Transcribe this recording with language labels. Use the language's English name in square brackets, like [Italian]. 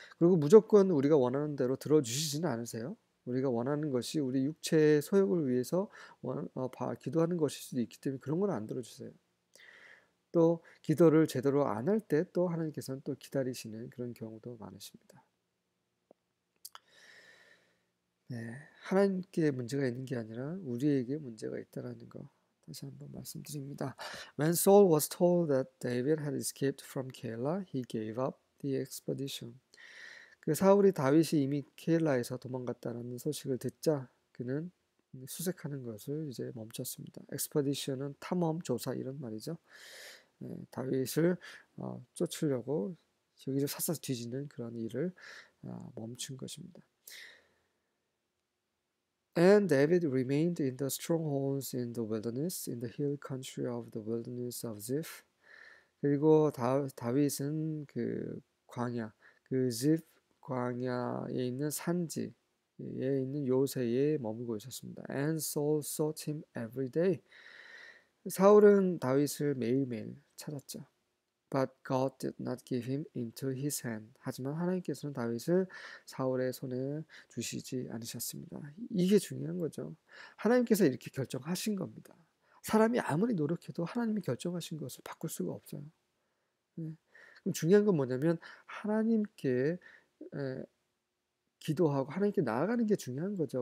[Korean] 그리고 무조건 우리가 원하는 대로 들어주시지는 않으세요. 우리가 원하는 것이 우리 육체의 소욕을 위해서 기도하는 것일 수도 있기 때문에 그런 건안 들어주세요. 또 기도를 제대로 안할때또 하나님께서는 또 기다리시는 그런 경우도 많으십니다. 하나님께 문제가 있는 게 아니라 우리에게 문제가 있다라는 거 다시 한번 말씀드립니다. [English] When Saul was told that David had escaped from Keilah, he gave up the expedition. [Korean] 그 사울이 다윗이 이미 케일라에서 도망갔다는 소식을 듣자 그는 수색하는 것을 이제 멈췄습니다. Expedition은 탐험, 조사 이런 말이죠. 다윗을 쫓으려고 여기서 샅샅 뒤지는 그런 일을 멈춘 것입니다. [English] And David remained in the strongholds in the wilderness, in the hill country of the wilderness of Ziph. [Korean] 그리고 다윗은 그 Ziph 광야에 있는 산지에 있는 요새에 머물고 있었습니다. [English] And Saul sought him every day. [Korean] 사울은 다윗을 매일매일 찾았죠. [English] But God did not give him into his hand. [Korean] 하지만 하나님께서는 다윗을 사울의 손에 주시지 않으셨습니다. 이게 중요한 거죠. 하나님께서 이렇게 결정하신 겁니다. 사람이 아무리 노력해도 하나님이 결정하신 것을 바꿀 수가 없어요. 그럼 중요한 건 뭐냐면 하나님께 기도하고 하나님께 나아가는 게 중요한 거죠.